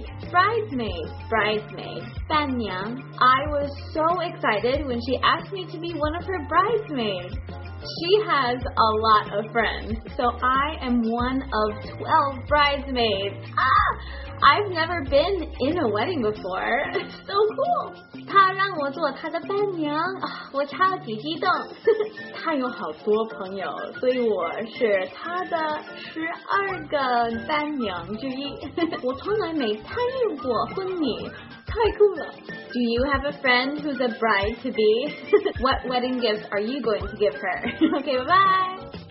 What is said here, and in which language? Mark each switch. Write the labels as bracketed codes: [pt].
[en] Bridesmaid, 伴娘。 I was so excited when she asked me to be one of her bridesmaids. She has a lot of friends, so I am one of 12 bridesmaids. I've never been in a wedding before. So cool! [zh] 她让我做她的伴娘，我超级激动。她有好多朋友，所以我是她的12个伴娘之一。我从来没参与过婚礼，太酷了。 [en] Do you have a friend who's a bride-to-be? What wedding gifts are you going to give her? Okay, bye-bye!